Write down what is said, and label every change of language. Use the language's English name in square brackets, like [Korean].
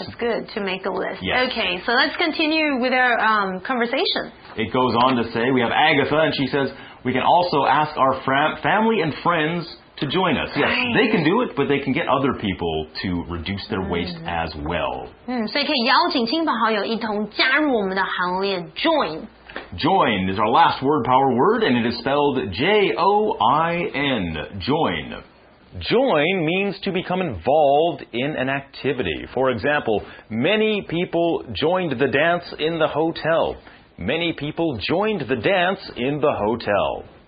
[English] It's good to make a list. Yes. Okay, so let's continue with our、conversation. It goes on to say, we have Agatha and she says, we can also ask our family and friends to join us. Yes, they can do it, but they can get other people to reduce their waste as well. [Chinese] 所以可以邀请亲朋好友一同加入我们的行列 join。 [English] Join is our last word, power word, and it is spelled J-O-I-N, join. Join means to become involved in an activity. For example, many people joined the dance in the hotel. Many people joined the dance in the hotel.